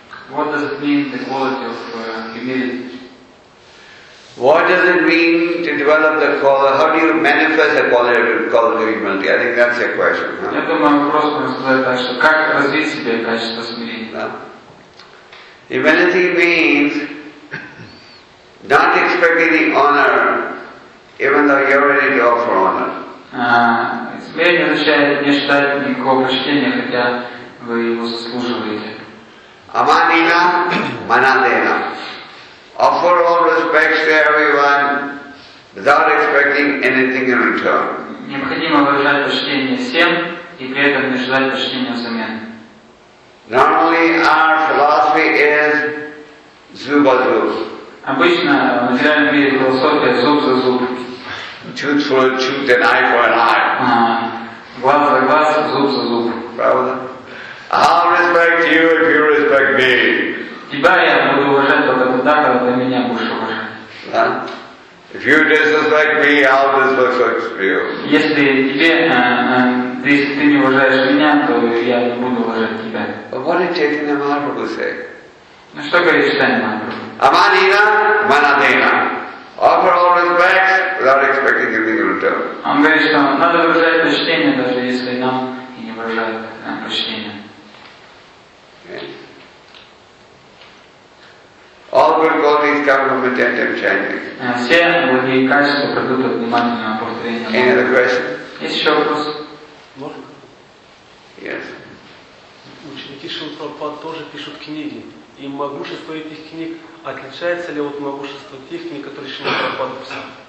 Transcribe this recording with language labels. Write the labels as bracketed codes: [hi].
[en] What does it mean, the quality of humility? What does it mean to develop the quality? How do you manifest the quality of humility? I think that's your question. [ru] Я думаю, просто сказать так, что как развить себе качество смирения. [en] Humility means not expecting the honor, even though you're ready to offer honor. [ru] Смирение означает не ждать никакого почтения, хотя вы его заслуживаете. [sa] Amanina manadena. [en] Offer all respects to everyone without expecting anything in return. [ru] Необходимо выражать почтение всем и при этом не ждать почтения взамен. [en] Normally our philosophy is zubazu. [ru] Обычно в материальном мире философия зуб за зуб. [en] Tooth for a tooth and eye for an eye. [ru] Глаз за глаз, зуб за зуб. Правда? [en] I'll respect you if you respect me. [ru] Тебя я буду уважать только тогда, когда ты меня будешь уважать. Да? [en] If you're just like me, all this looks like to you. [ru] Если тебе, если ты не уважаешь меня, то я не буду уважать тебя. [en] But what did Chaitanya Mahaprabhu say? [ru] Ну что говорит Chaitanya Mahaprabhu? [sa] Amanina, manadina. [en] Offer all respects without expecting anything in return. [ru] Он говорит, что надо выражать почтение, даже если нам и не выражают почтение. [en] All good qualities come from attentive chanting. [ru] Все благие качества придут от внимательного повторения. [en] Any other question? [ru] Есть еще вопрос? Можно? [en] Yes. [ru] Ученики Шрилы Прабхупады тоже пишут книги. И могущество этих книг отличается ли от могущества тех книг, которые Шрилы Прабхупады писал?